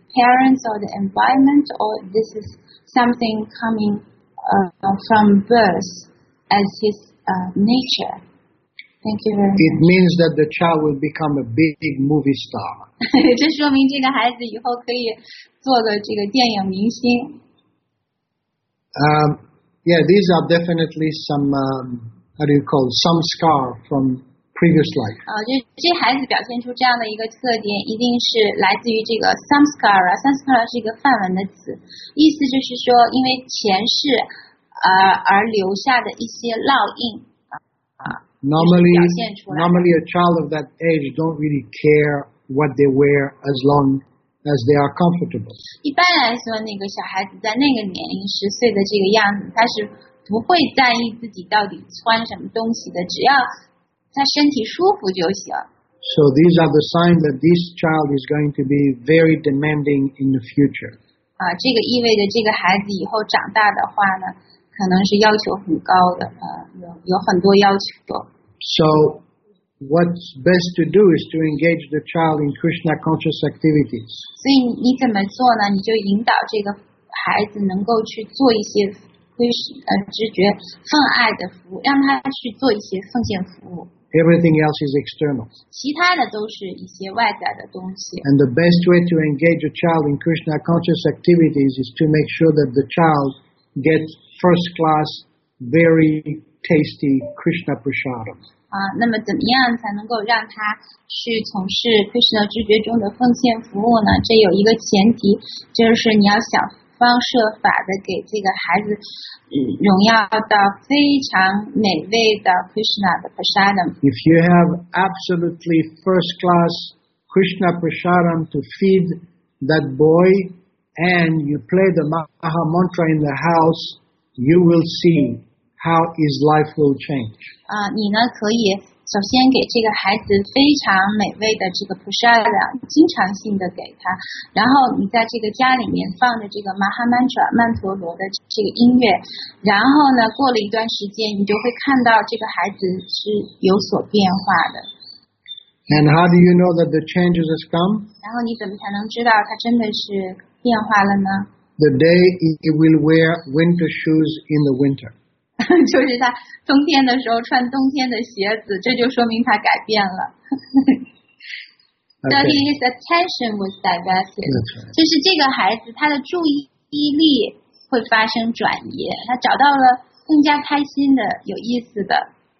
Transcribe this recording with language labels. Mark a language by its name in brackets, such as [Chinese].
[English] parents or the environment, or this is something comingfrom birth as his nature? Thank you very much. It means that the child will become a big movie star. [Chinese] 这说明这个孩子以后可以做个这个电影明星。 [English] These are definitely some scar from previous life. [Chinese] 这孩子表现出这样的一个特点，一定是来自于这个 samskara。 samskara 是一个梵文的词，意思就是说，因为前世而留下的一些烙印。 [English] Normally, a child of that age don't really care what they wear as long as they are comfortable. [Chinese] 一般来说，那个小孩子在那个年龄十岁的这个样子，他是不会在意自己到底穿什么东西的，只要他身体舒服就行。 [English] So these are the signs that this child is going to be very demanding in the future. [Chinese] 这个意味着这个孩子以后长大的话呢，可能是要求很高的，有很多要求。 [English] So what's best to do is to engage the child in Krishna conscious activities. [Chinese] 所以你怎么做呢？你就引导这个孩子能够去做一些知觉奉爱的服务，让他去做一些奉献服务。 [English] Everything else is external. [Chinese] 其他的都是一些外在的东西。 [English] And the best way to engage a child in Krishna conscious activities is to make sure that the child gets first class, very tasty Krishna prasadam. [Chinese] 那么怎么样才能够让他去从事 Krishna 知觉中的奉献服务呢？这有一个前提，就是你要想方设法的给这个孩子荣耀到非常美味的 Krishna 的 prasadam. [English] If you have absolutely first class Krishna prasadam to feed that boy, and you play the Maha Mantra in the house, you will see how his life will change. [Chinese] 你呢可以首先给这个孩子非常美味的这个 prasadam 经常性的给他，然后你在这个家里面放着这个 Maha Mantra 曼陀罗的这个音乐，然后呢过了一段时间，你就会看到这个孩子是有所变化的。 [English] And how do you know that the changes has come? [Chinese] 然后你怎么才能知道他真的是变化了呢？ [English] The day he will wear winter shoes in the winter. [Chinese] 就是他冬天的时候穿冬天的鞋子，这就说明他改变了。 [English] Okay. So his attention was diverted. Right. [Chinese] 就是这个孩子他的注意力会发生转移，他找到了更加开心的、有意思的。